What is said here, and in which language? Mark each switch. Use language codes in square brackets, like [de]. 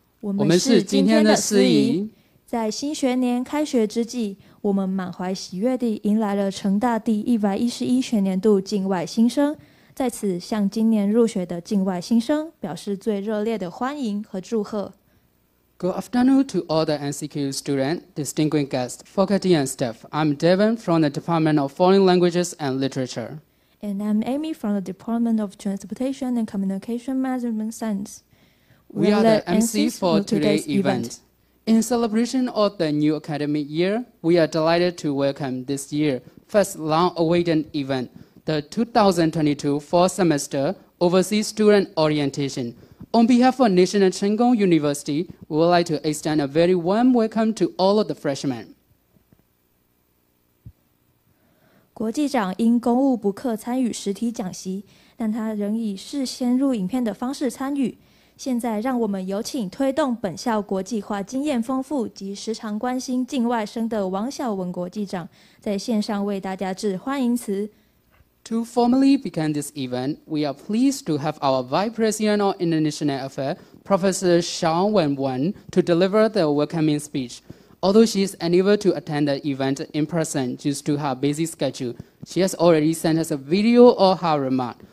[zh] 我们是今天的司仪。在新学年开学之际，我们满怀喜悦地迎来了成大第111学年度境外新生，在此向今年入学的境外新生表示最热烈的欢迎和祝贺。 [en] Good afternoon to all the NCKU students, distinguished guests, faculty and staff. I'm Devin from the Department of Foreign Languages and Literature. And I'm Amy from the Department of Transportation and Communication Management Science. We are the MC for today's event. In celebration of the new academic year, we are delighted to welcome this year's first long-awaited event, the 2022 Fall Semester Overseas Student Orientation. On behalf of National Cheng Kung University, we would like to extend a very warm welcome to all of the freshmen. [zh] 国际长因公务不可参与实体讲习，但他仍以事先录影片的方式参与。现在让我们有请推动本校国际化经验丰富及时常关心境外生的王小文国际长在线上为大家致欢迎词。 [en] To formally begin this event, we are pleased to have our Vice President of International Affairs, Professor Xiao Wenwen, to deliver the welcoming speech. Although she is unable to attend the event in person due to her busy schedule, she has already sent us a video of her remark.